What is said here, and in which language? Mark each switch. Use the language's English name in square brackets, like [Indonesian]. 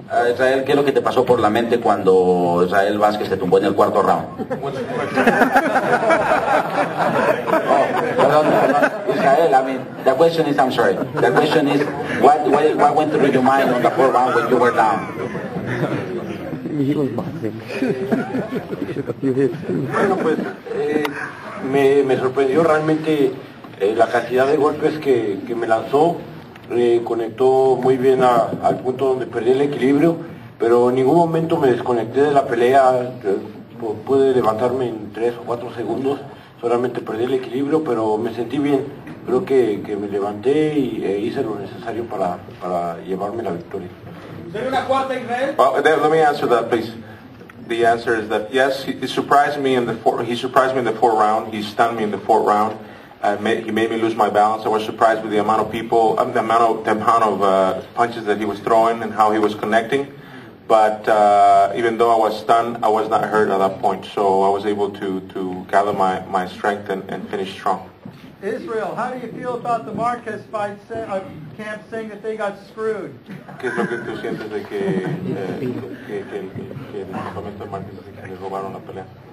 [Spanish] Israel, ¿qué es lo que te pasó por la mente cuando Israel Vázquez se tumbó en el cuarto round? [English] What's the question? [Spanish] Oh, perdón, [English] Israel, I mean, the question is, I'm sorry, the question is, what went through your mind on the fourth round when you were down? He was boxing. [Spanish] Bueno, pues me sorprendió realmente la cantidad de golpes que me lanzó. Conectó muy bien al punto donde perdí el equilibrio, pero en ningún momento me desconecté de la pelea. Pude levantarme en 3 o 4 segundos, solamente perdí el equilibrio, pero me sentí bien. Creo que me levanté y hice lo necesario para llevarme la victoria. [English] Let me answer that, please. The answer is that yes, he surprised me in the fourth round. He stunned me in the fourth round. He made me lose my balance. I was surprised with the amount of punches that he was throwing and how he was connecting. But even though I was stunned, I was not hurt at that point. So I was able to gather my strength and finish strong. Israel, how do you feel about the Marquez fight camp saying that they got screwed? [Spanish] ¿Qué es lo que tú sientes de que en el momento de Marquez le robaron la pelea?